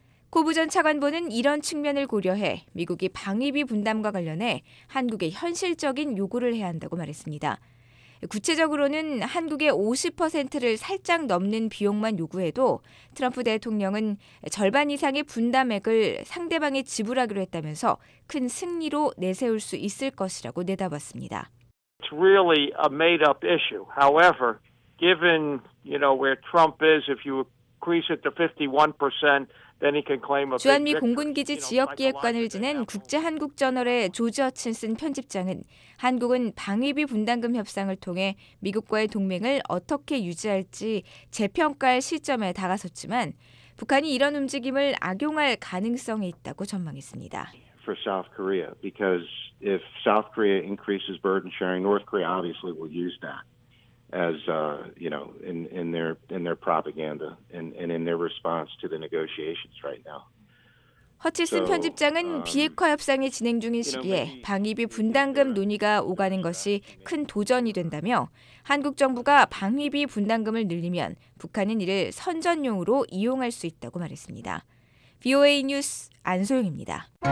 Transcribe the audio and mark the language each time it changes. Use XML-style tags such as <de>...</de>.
<ko>코브 전 차관보는 이런 측면을 고려해 미국이 방위비 분담과 관련해 한국에 현실적인 요구를 해야 한다고 말했습니다. 구체적으로는 한국의 50%를 살짝 넘는 비용만 요구해도 트럼프 대통령은 절반 이상의 분담액을 상대방이 지불하기로 했다면서 큰 승리로 내세울 수 있을 것이라고 내다봤습니다.</ko> <en>It's really a made-up issue. However, given you know where Trump is, if you increase it to 51%, then he can claim a victory.</en> <ko>주한미 공군기지 지역 기획관을 지낸 국제한국저널의 조지 허친슨 편집장은 한국은 방위비 분담금 협상을 통해 미국과의 동맹을 어떻게 유지할지 재평가할 시점에 다가섰지만 북한이 이런 움직임을 악용할 가능성이 있다고 전망했습니다.</ko> <en>For South Korea, because if South Korea increases burden sharing, North Korea obviously will use that as you know in their propaganda and in their response to the negotiations right now.</en> <ko>허치슨 편집장은 비핵화 협상이 진행 중인 시기에 방위비 분담금 논의가 오가는 것이 큰 도전이 된다며 한국 정부가 방위비 분담금을 늘리면 북한은 이를 선전용으로 이용할 수 있다고 말했습니다. VOA 뉴스 안소영입니다.</ko>